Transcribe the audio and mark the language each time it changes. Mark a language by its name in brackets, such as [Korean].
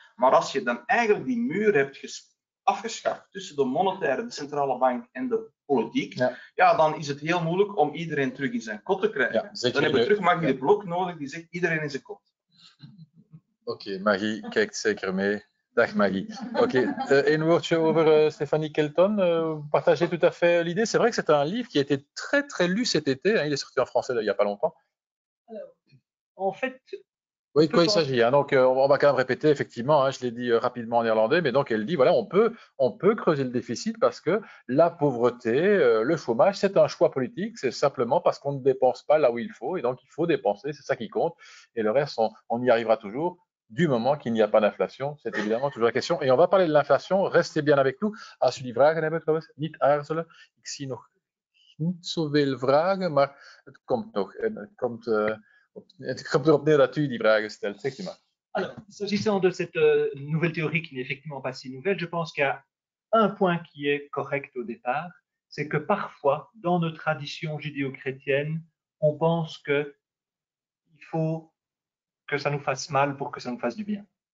[Dutch] Maar als je dan eigenlijk die muur hebt afgeschaft tussen de monetaire, de centrale bank en de politiek, dan is het heel moeilijk om iedereen terug in zijn kot te krijgen. Ja, dan heb je terug Magie de Blok nodig die zegt iedereen in zijn kot. Oké, okay, Marie kijkt zeker mee. Dag Marie. Oké, okay. Een woordje over Stéphanie Kelton. [French] Vous partagez tout à fait l'idée. C'est vrai que c'est un livre qui a été très très lu cet été. Hein. Il est sorti en français il n'y a pas longtemps. Alors, en fait. Oui, de quoi il s'agit. Hein. Donc, on va quand même répéter, effectivement, hein, je l'ai dit rapidement en néerlandais, mais donc elle dit voilà, on peut creuser le déficit parce que la pauvreté, le chômage, c'est un choix politique. C'est simplement parce qu'on ne dépense pas là où il faut. Et donc, il faut dépenser. C'est ça qui compte. Et le reste, on y arrivera toujours. Du moment qu'il n'y a pas d'inflation, c'est évidemment toujours la question. Et on va parler de l'inflation, restez bien avec nous. [Dutch] Als u die vragen hebben, trouwens, niet aarzelen. Ik zie nog niet zoveel vragen, maar het komt nog. En het komt erop neer dat u die vragen stelt, zegt u maar. [French] Alors, s'agissant de cette nouvelle théorie qui n'est effectivement pas si nouvelle, je pense qu'il y a un point qui est correct au départ, c'est que parfois, dans nos traditions judéo-chrétiennes, on pense que il faut que ça nous fasse mal pour que ça nous fasse du bien.